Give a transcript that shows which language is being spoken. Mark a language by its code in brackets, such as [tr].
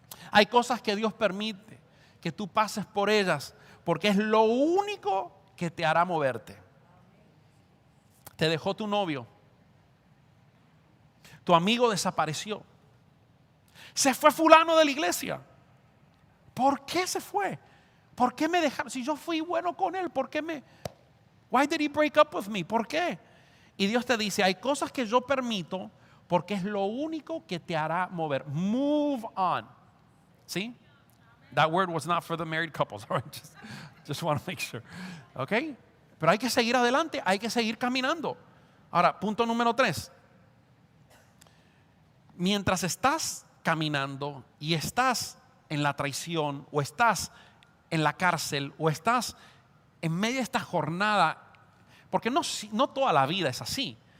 [es] Hay cosas que Dios permite que tú pases por ellas porque es lo único que te hará moverte. Te dejó tu novio. Tu amigo desapareció. Se fue fulano de la iglesia. ¿Por qué se fue? ¿Por qué me dejaron? Si yo fui bueno con él, ¿por qué me? [en] Why did he break up with me? [es] ¿Por qué? Y Dios te dice, hay cosas que yo permito porque es lo único que te hará mover. [en] Move on. [es] ¿Sí? [en] That word was not for the married couples. Just want to make sure. Okay? [es] Pero hay que seguir adelante, hay que seguir caminando. Ahora, punto número 3. Mientras estás caminando y estás en la traición o estás en la cárcel o estás en medio de esta jornada, porque no toda la vida es así.